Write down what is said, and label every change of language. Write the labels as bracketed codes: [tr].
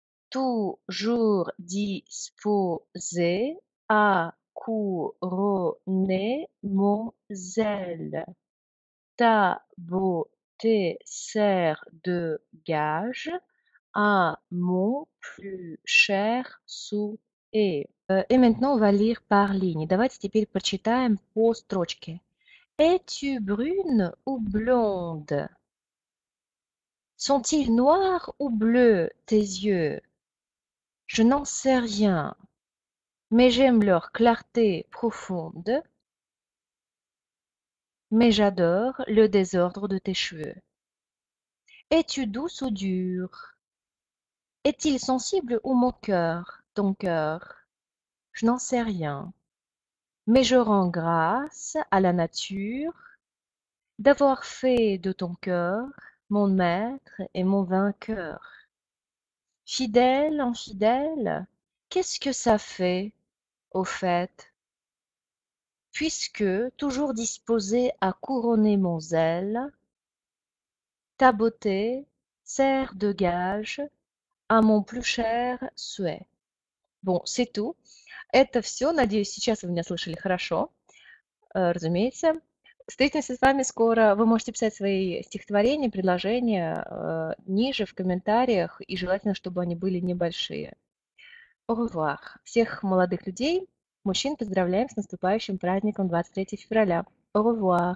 [fr] toujours disposé à couronner mon zèle, ta beauté sert de gage à mon plus cher souhait. Et maintenant, on va lire par ligne. [ru] Давайте теперь прочитаем по строчке. [fr] Es-tu brune ou blonde? Sont-ils noirs ou bleus, tes yeux? Je n'en sais rien, mais j'aime leur clarté profonde. Mais j'adore le désordre de tes cheveux. Es-tu douce ou dure? Est-il sensible ou moqueur, ton cœur? Je n'en sais rien, mais je rends grâce à la nature d'avoir fait de ton cœur mon maître et mon vainqueur. Fidèle, infidèle, qu'est-ce que ça fait, au fait? Puisque toujours disposé à couronner mon zèle, ta beauté sert de gage à mon plus cher souhait. Bon, c'est tout. [ru] Это все. Надеюсь, сейчас вы меня слышали хорошо. Разумеется. Встретимся с вами скоро. Вы можете писать свои стихотворения, предложения ниже в комментариях, и желательно, чтобы они были небольшие. [fr] Au revoir. [ru] Всех молодых людей, мужчин поздравляем с наступающим праздником 23 февраля. [fr] Au revoir.